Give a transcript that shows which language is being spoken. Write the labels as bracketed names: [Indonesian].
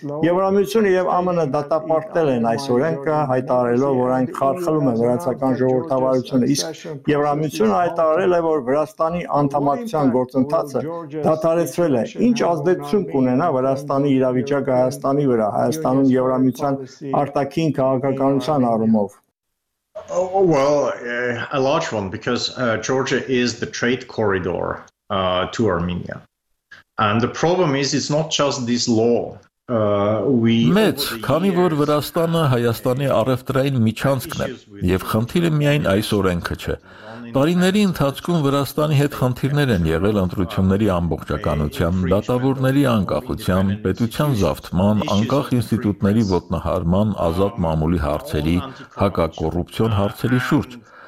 [Armenian] Եվրամիությունը և ԱՄՆ դատապարտել են այս օրենքը, հայտարարելով, որ այն խարխլում է վրացական ժողովրդավարությունը, իսկ եվրամիությունը հայտարարել է, որ Վրաստանի անդամակցության գործընթացը դադարեցրել է։ Ինչ ազդեցություն կունենա Վրաստանի իրավիճակը Հայաստանի վրա, Հայաստանում եվրամիության արտաքին քաղաքականության առումով։ [English] Well, a large one, because Georgia is the trade corridor to Armenia. And the problem is, it's not just this law. [Armenian] Մեծ, քանի որ Վրաստանը Հայաստանի առևտրային միջանցքն է, և խնդիրը միայն այս օրենքը չէ։ Տարիների ընթացքում Վրաստանի հետ խնդիրներ են եղել ընտրությունների ամբողջականության, դատավորների անկախության, պետության զավթման, անկախ ինստիտուտների ոտնահարման, ազատ մամուլի հարցերի, հակակոռուպցիոն հարցերի շուրջ։